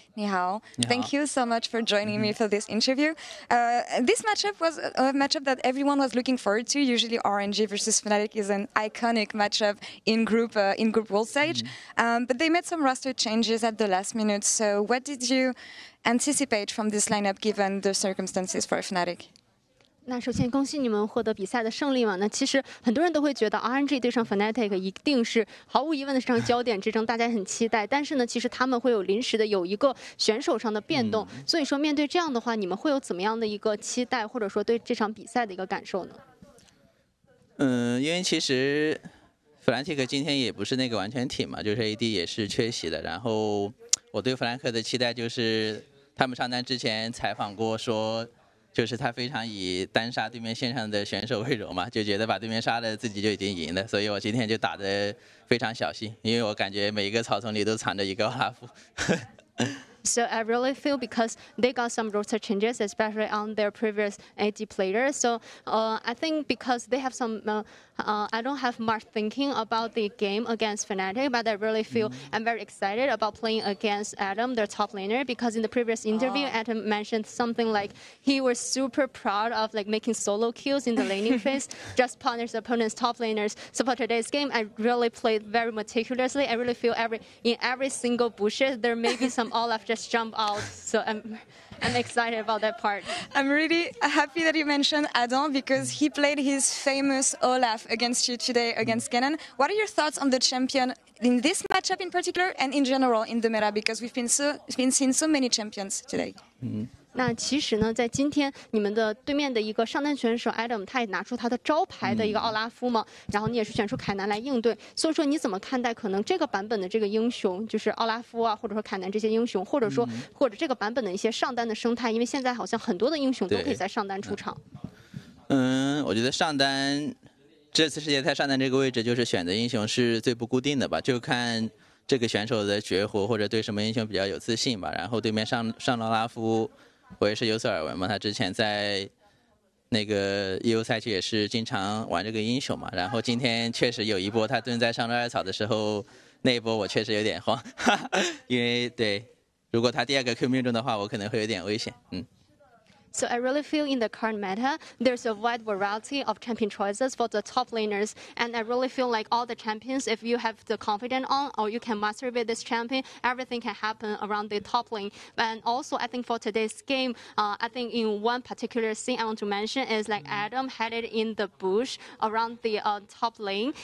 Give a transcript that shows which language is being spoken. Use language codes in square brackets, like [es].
[en] Nihao, thank you so much for joining me for this interview. This matchup was a matchup that everyone was looking forward to. Usually RNG versus Fnatic is an iconic matchup in group world stage. But they made some roster changes at the last minute. So what did you anticipate from this lineup given the circumstances for Fnatic? [zh] 那首先恭喜你们获得比赛的胜利嘛。那其实很多人都会觉得 RNG 对上 Fnatic 一定是毫无疑问的这场焦点，这场大家很期待。但是呢，其实他们会有临时的有一个选手上的变动，所以说面对这样的话，你们会有怎么样的一个期待，或者说对这场比赛的一个感受呢？嗯，因为其实 Fnatic 今天也不是那个完全体嘛，就是 AD 也是缺席的。然后我对 Fnatic 的期待就是，他们上单之前采访过说， 就是他非常以单杀对面线上的选手为荣嘛，就觉得把对面杀了自己就已经赢了，所以我今天就打得非常小心，因为我感觉每一个草丛里都藏着一个 Olaf。 [en] So I really feel because they got some roster changes, especially on their previous AD players. So I think because they have some, I don't have much thinking about the game against Fnatic, but I really feel I'm very excited about playing against Adam, their top laner, because in the previous interview, Adam mentioned something like he was super proud of like making solo kills in the laning phase, just punish opponents' top laners. So for today's game, I really played very meticulously. I really feel in every single bushes, there may be some Olaf just jump out, so I'm excited about that part. I'm really happy that you mentioned Adam because he played his famous Olaf against you today against Kennen. What are your thoughts on the champion in this matchup in particular and in general in the meta, because we've been seeing so many champions today. Mm-hmm. [zh] 那其实呢，在今天你们的对面的一个上单选手 Adam， 他也拿出他的招牌的一个奥拉夫嘛，然后你也是选出凯南来应对，所以说你怎么看待可能这个版本的这个英雄，就是奥拉夫啊，或者说凯南这些英雄，或者说或者这个版本的一些上单的生态，因为现在好像很多的英雄都可以在上单出场。嗯，我觉得上单这次世界赛上单这个位置就是选择英雄是最不固定的吧，就看 这个选手的绝活或者对什么英雄比较有自信吧，然后对面上拉夫，我也是有所耳闻嘛，他之前在那个 EU 赛区也是经常玩这个英雄嘛，然后今天确实有一波他蹲在上路二草的时候，那一波我确实有点慌，哈哈，因为对，如果他第二个 Q 命中的话，我可能会有点危险，嗯。 [en] So I really feel in the current meta, there's a wide variety of champion choices for the top laners. And I really feel like all the champions, if you have the confidence on or you can master with this champion, everything can happen around the top lane. And also, I think for today's game, I think in one particular scene I want to mention is like Adam headed in the bush around the top lane.